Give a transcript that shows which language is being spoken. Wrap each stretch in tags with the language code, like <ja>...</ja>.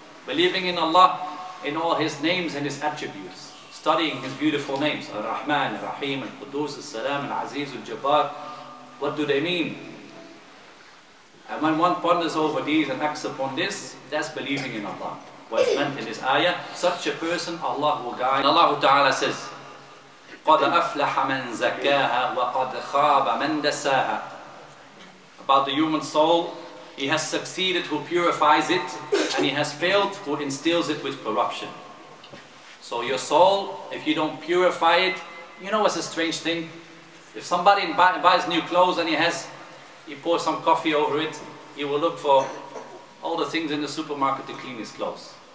<en>Believing in Allah, in all His names and His attributes. Studying His beautiful names, Ar-Rahman, Ar-Rahim, Al-Qudus, Al-Salam, Al-Aziz, Al-Jabbar. What do they mean? And when one ponders over these and acts upon this, that's believing in Allah. What is meant in this ayah, such a person Allah will guide. And Allah Ta'ala says,</en> <ar>قَدْ أَفْلَحَ مَنْ زَكَّاهَا وَقَدْ خَابَ مَنْ دَسَّاهَا.</ar> <en>About the human soul, he has succeeded who purifies it, and he has failed who instills it with corruption. So your soul, if you don't purify it, you know what's a strange thing? If somebody buys new clothes and he pours some coffee over it, he will look for all the things in the supermarket to clean his clothes.</en>